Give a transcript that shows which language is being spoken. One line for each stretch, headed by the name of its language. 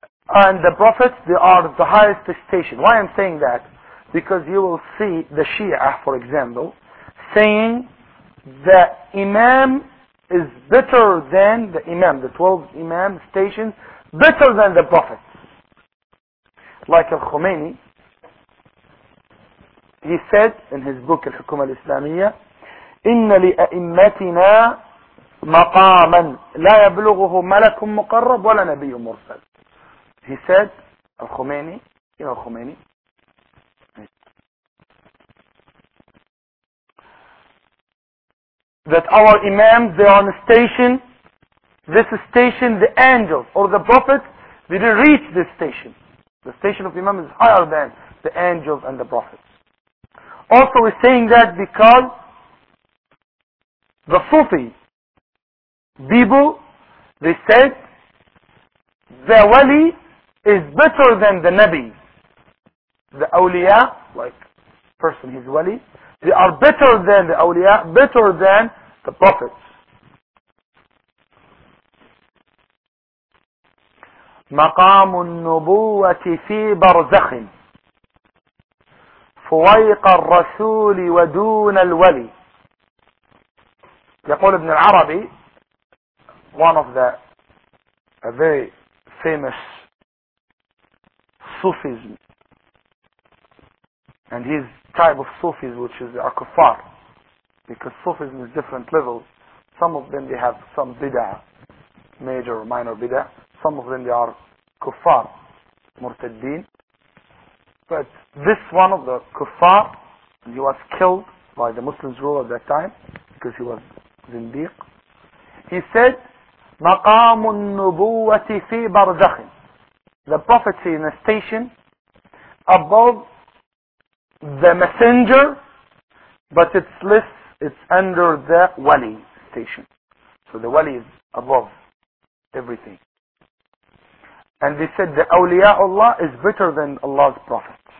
English: And the prophets, they are the highest station. Why I'm saying that? Because you will see the Shia, for example, saying the Imam is better than the Imam, the 12 Imam stations, better than the prophets.
Arabic: Like Al-Khomeini, he said in his book, Al-Hukuma Al-Islamiyya, إِنَّ لِأَئِمَّتِنَا مَقَامًا لَا يَبْلُغُهُ مَلَكٌ مُقَرَّبٌ وَلَا نَبِيٌّ مُرْسَلٌ.
English: He said, Al-Khomeini, you know Al-Khomeini, that our imams, they are on a station, this station, the angels or the prophets, they didn't reach this station. The station of imam is higher than the angels and the prophets. Also, we're saying that because the Sufi people, they said, the wali is better than the Nabi. The Awliya, like person his wali, they are better than the Awliya, better than the Prophets.
Arabic: مقام النبوة في برزخ فويق الرسول ودون الولي.
English: يقول ابن العربي, one of the a very famous Sufism, and his type of Sufis, which is the Akufar, because Sufism is different levels. Some of them, they have some bid'ah, major or minor bid'ah. Some of them, they are Kufar, Murtaddin. But this one of the Kufar, he was killed by the Muslims ruler at that time, because he was Zindiq. He said, مقام النبوة في برزخ. The Prophet is in a station above the messenger, but it's under the wali station. So the wali is above everything. And they said the awliya'ullah is better than Allah's Prophet.